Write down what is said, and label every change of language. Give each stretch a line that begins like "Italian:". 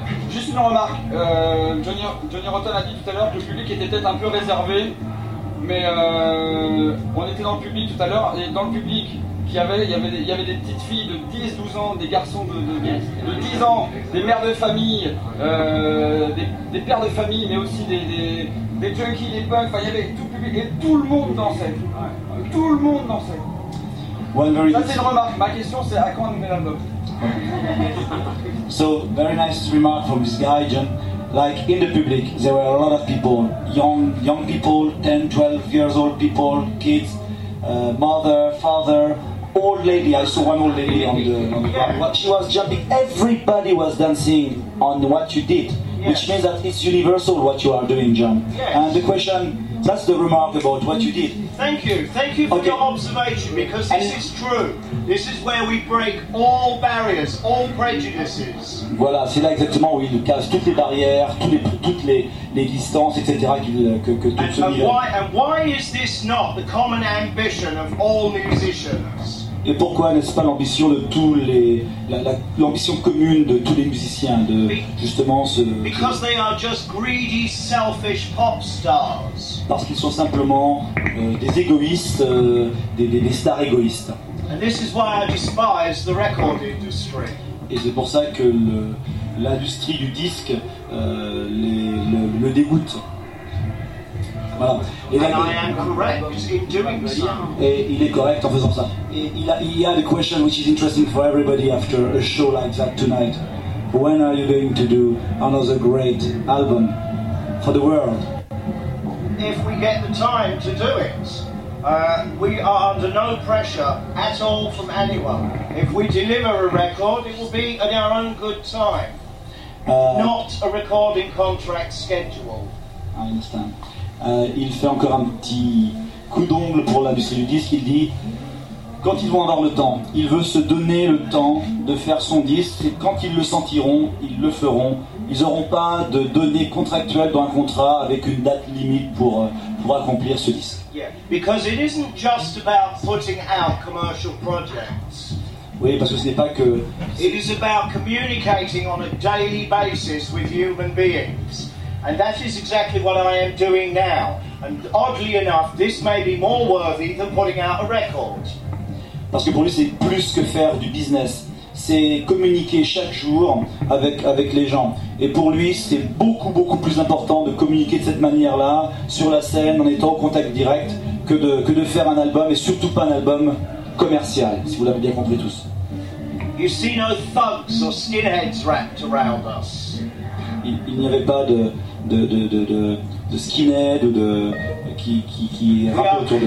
French: Juste une remarque, Johnny Rotten a dit tout à l'heure que le public était peut-être un peu réservé, mais on était dans le public tout à l'heure, et dans le public il y avait des petites filles de 10-12 ans, des garçons de 10 ans, des mères de famille, des pères de famille, mais aussi des junkies, des punks, enfin, il y avait tout le public, et tout le monde dansait, tout le monde dansait. Ça c'est une remarque, ma question c'est à quand on met l'album.
English: So, very nice remark from this guy, John. Like, in the public, there were a lot of people, young people, 10, 12 years old people, kids, mother, father, old lady. I saw one old lady on the she was jumping. Everybody was dancing on what you did, yes. Which means that it's universal what you are doing, John. Yes. And the question, that's the remark about what you did. Thank you for your observation, because this is true. This is where we break all barriers, all prejudices.
French: Voilà, c'est là exactement où il casse toutes les barrières, toutes les distances, etc. Que tout se mire.
English: And why is this not the common ambition of all musicians?
French: Et pourquoi n'est-ce pas l'ambition de tous les l'ambition commune de tous les musiciens de justement ce
English: Because they are just greedy, selfish pop stars.
French: Parce qu'ils sont simplement des égoïstes, des stars égoïstes.
English: And this is why I despise the record industry.
French: Et c'est pour ça que l'industrie du disque le dégoûte. Voilà. Et il est correct en faisant ça. Il y a une question
English: which is interesting for everybody after a show like that tonight. When are you going to do another great album for the world? If we get the time to do it, we are under no pressure at all from anyone. If we deliver a record, it will be at our own good time. Not a recording contract schedule. I understand.
French: Il fait encore un petit coup d'ongle pour l'industrie du disque. Il dit, quand ils vont avoir le temps, il veut se donner le temps de faire son disque. Et quand ils le sentiront, ils le feront. Ils n'auront pas de données contractuelles dans un contrat avec une date limite pour accomplir ce disque.
English: Yeah, because it isn't just about putting out commercial projects.
French: Oui, parce que ce n'est pas que.
English: It is about communicating on a daily basis with human beings. And that is exactly what I am doing now. And oddly enough, this may be more worthy than putting out a record.
French: Parce que pour lui, c'est plus que faire du business. C'est communiquer chaque jour avec les gens. Et pour lui, c'est beaucoup, beaucoup plus important de communiquer de cette manière-là, sur la scène, en étant en contact direct, que de faire un album, et surtout pas un album commercial, si vous l'avez bien compris tous.
English: You see no thugs or skinheads wrapped around us.
French: Il n'y avait pas de skinhead ou de qui rappelait autour de